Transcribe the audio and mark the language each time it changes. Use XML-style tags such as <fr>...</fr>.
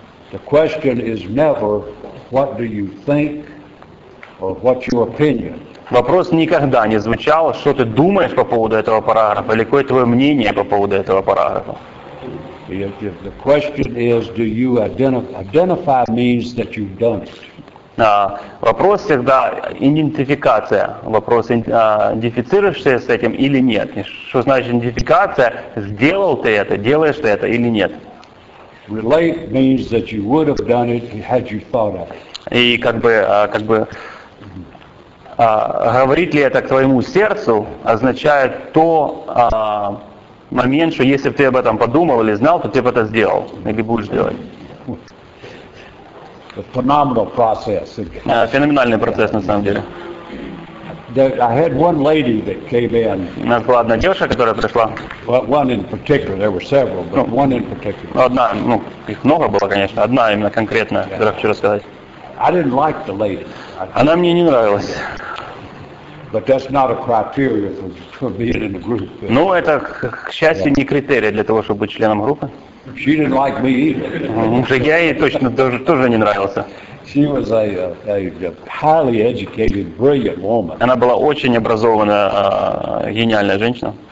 <en>The question is never, what do you think, or what's your opinion?</en> <ru>Вопрос никогда не звучал, что ты думаешь по поводу этого параграфа, или какое твое мнение по поводу этого параграфа.</ru> <en>If the question is, do you identify means that you've done it.</en> <ru>Вопрос всегда идентификация. Вопрос, идентифицируешься с этим или нет. Что значит идентификация? Сделал ты это, делаешь ты это или нет.</ru> <en>Relate means that you would have done it had you thought of it.</en> <ru>И говорит ли это к твоему сердцу, означает то момент, что если бы ты об этом подумал или знал, то ты бы это сделал или будешь делать.</ru> <en>Phenomenal process.</en> <ru>Феноменальный процесс на самом деле.</ru> <en>I had one lady that came in.</en> <ru>У нас была одна девушка, которая пришла.</ru> <en>One in particular, there were several, but one in particular.</en> <ru>Одна, их много было, конечно, одна именно конкретная, о которой хочу рассказать.</ru> <en>I didn't like the lady.</en> <ru>Она мне не нравилась.</ru> <en>But that's not a criteria for being in a group.</en> <ru>Ну, это, к счастью, не критерий для того, чтобы быть членом группы.</ru> <en>She didn't like me either.</en> <ru>Я ей точно тоже не нравился.</ru> <en>She was a highly educated, brilliant woman.</en> <ru>Она была очень образованная, гениальная женщина.</ru>